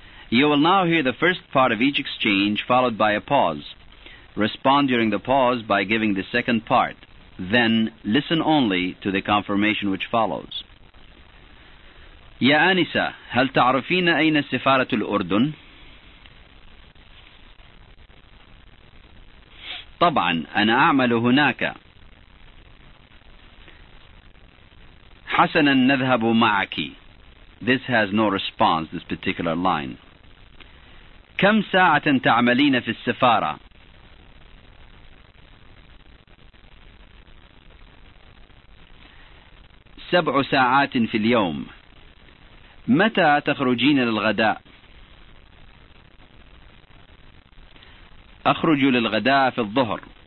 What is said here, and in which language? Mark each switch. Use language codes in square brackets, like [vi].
[en] You will now hear the first part of each exchange followed by a pause. Respond during the pause by giving the second part. Then listen only to the confirmation which follows. [ar] يا آنسة، هل تعرفين أين سفارة الأردن؟ طبعا أنا أعمل هناك. حسنا نذهب معك. [en] This has no response, this particular line. [ar] كم ساعة تعملين في السفارة؟ سبع ساعات في اليوم. متى تخرجين للغداء؟ أخرج للغداء في الظهر.